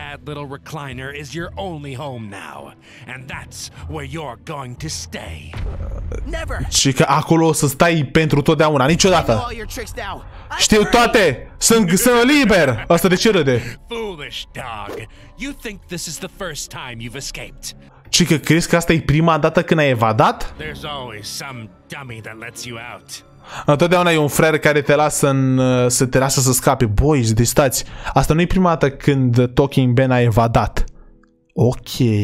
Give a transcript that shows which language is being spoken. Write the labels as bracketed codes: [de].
[en] That sad little recliner is your only home now. And that's where you're going to stay. Never! [ro] Și că acolo o să stai pentru totdeauna, niciodată. Știu toate! Sunt liber! Asta de ce râde? [en] Foolish dog! You think this is the first time you've escaped? [ro] Ci că crezi că asta e prima dată când ai evadat? [en] There's always some dummy that lets you out. [ro] Întotdeauna e un frer care te lasă în, să te lasă să scape. Boys, deci stați. Asta nu e prima dată când Talking Ben a evadat. Ok.